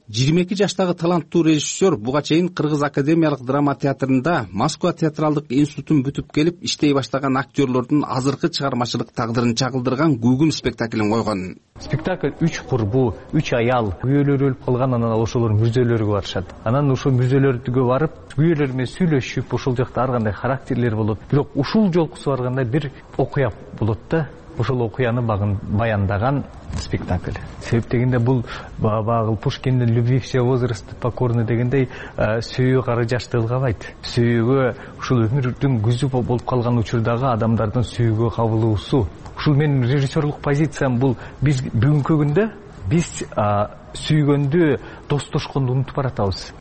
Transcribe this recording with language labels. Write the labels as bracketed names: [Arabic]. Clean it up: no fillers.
[Kyrgyz] 22 жаштагы таланттуу режиссер буга чейин Кыргыз академиялык драма театрында Москва театралдык институтун бүтүп келип иштей баштаган актерлордун азыркы чыгармачылык тагдырын чагылдырган Күгүм спектаклин койгон. Спектакль 3 курбу, 3 аял күйөөлөрү өлүп калган, анан ошолор мүрзөлөргө барышат. Анан ошол мүрзөлөргө барып, күйөөлөр менен сүйлөшүп, ошол жакта ар кандай характерлер болот. Бирок ушул жолкусу барганда бир окуя болот да. Ушул окуяны баяндаган спектакль. Себеп дегенде бул баягы Пушкиндин [Russian] «Любви все возрасты покорны» [Kyrgyz] дегендей сүйүү кары жаштыгы кабайт. Сүйүүгө ушул өмүрдүн күзү болуп калган учурдагы адамдардын сүйүүгө кабылуусу. Ушул менин режиссерлук позициям бул, биз бүгүнкү күндө биз сүйгөндү достошконду унутуп баратабыз.